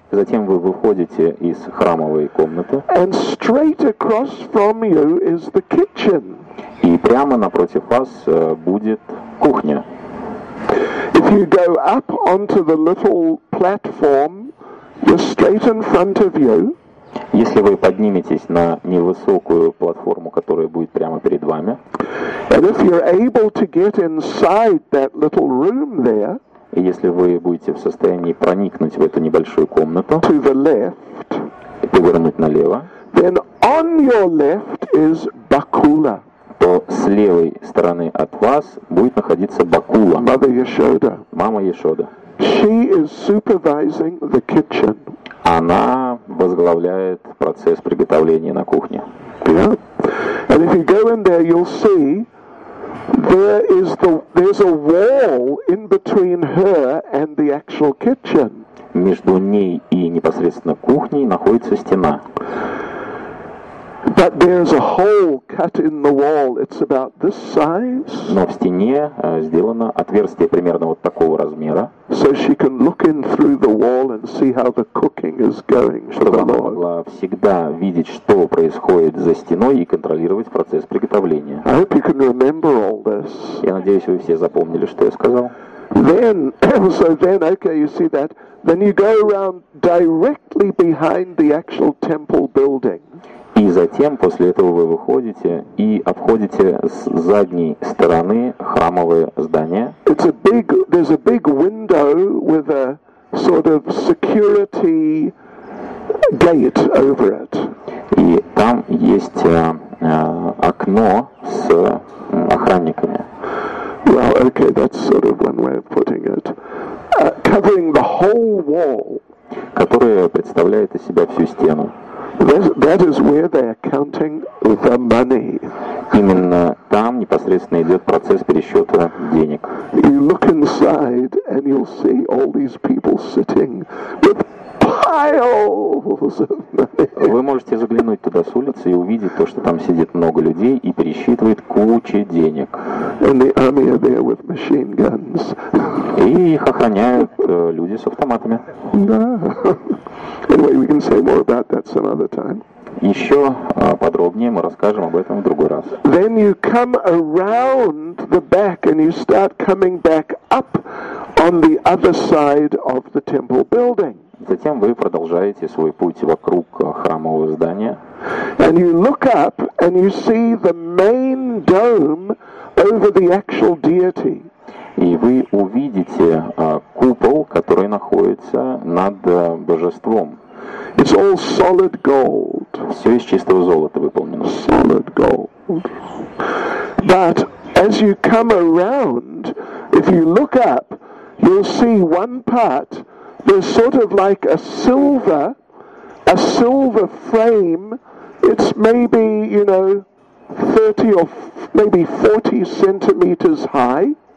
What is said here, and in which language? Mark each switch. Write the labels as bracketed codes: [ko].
[ru] Затем вы выходите из храмовой комнаты. [en] And straight across from you is the kitchen. [ru] И прямо напротив вас будет кухня. [en] If you go up onto the little platform, you're straight in front of you. [ru] Если вы подниметесь на невысокую платформу, которая будет прямо перед вами. [en] And if you're able to get inside that little room there. [ru] И если вы будете в состоянии проникнуть в эту небольшую комнату, [en] to the left, [ru] и повернуть налево, [en] then on your left is Bakula. [ru] То с левой стороны от вас будет находиться Бакула. [en] Mother Yashoda. [ru] Мама Яшода. [en] She is supervising the kitchen. [ru] Она возглавляет процесс приготовления на кухне. [en] Yeah. And if you go in there, you'll see there's a wall in between her and the actual kitchen. [ru] Между ней и непосредственно кухней находится стена. [en] But there's a hole cut in the wall. It's about this size. [ru] Но в стене сделано отверстие примерно вот такого размера. [en] So she can look in through the wall and see how the cooking is going. [ru] Чтобы она могла всегда видеть, что происходит за стеной, и контролировать процесс приготовления. [en] I hope you can remember all this. [ru] Я надеюсь, вы все запомнили, что я сказал. [en] Then, so then, okay, you see that. Then you go around directly behind the actual temple building. [ru] И затем, после этого, вы выходите и обходите с задней стороны храмовое здание. [en] It's a big, there's a big window with a sort of security gate over it. [ru] И там есть окно с охранниками. [en] Well, okay, that's sort of one way of putting it. Covering the whole wall. [ru] Которая представляет из себя всю стену. [en] That is where they are counting the money. [ru] Именно там непосредственно идет процесс пересчета денег. [en] You look inside and you'll see all these people sitting with piles of money. [ru] Вы можете заглянуть туда с улицы и увидеть то, что там сидит много людей и пересчитывает кучу денег. [en] And the army are there with machine guns. [ru] И их охраняют люди с автоматами. Да. [en] Anyway, we can say more about that some other time. [ru] Еще подробнее мы расскажем об этом в другой раз. [en] Then you come around the back and you start coming back up on the other side of the temple building. [ru] Затем вы продолжаете свой путь вокруг храмового здания. [en] And you look up and you see the main dome over the actual deity. [ru] И вы увидите купол, который находится над божеством. [en] It's all solid gold. [ru] Все из чистого золота выполнено. [en] Solid gold. But as you come around, if you look up, you'll see one part. There's sort of like a silver frame. It's maybe, you know, 30 or maybe 40 centimeters high.